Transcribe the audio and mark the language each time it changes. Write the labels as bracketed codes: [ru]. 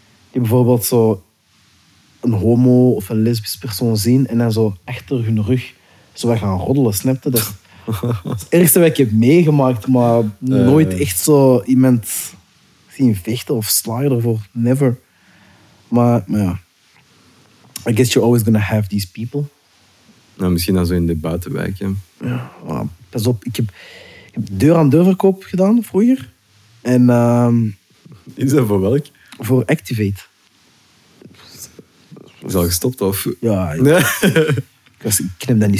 [nl] Die bijvoorbeeld zo een homo of een lesbisch persoon zien en dan zo achter hun rug zo wat gaan roddelen, snap je? Dat het ergste wat ik heb meegemaakt, maar nooit echt zo iemand zien vechten of slagen ervoor. [en] Never. [nl] Maar ja. [en] I guess you're always gonna have these people. [nl] Nou, misschien als we in de buitenwijk. Ja, maar pas op. Ik heb deur aan deur verkoop gedaan vroeger. En is dat voor welk? Voor Activate. Is al gestopt of? Ja. Ik knip dat niet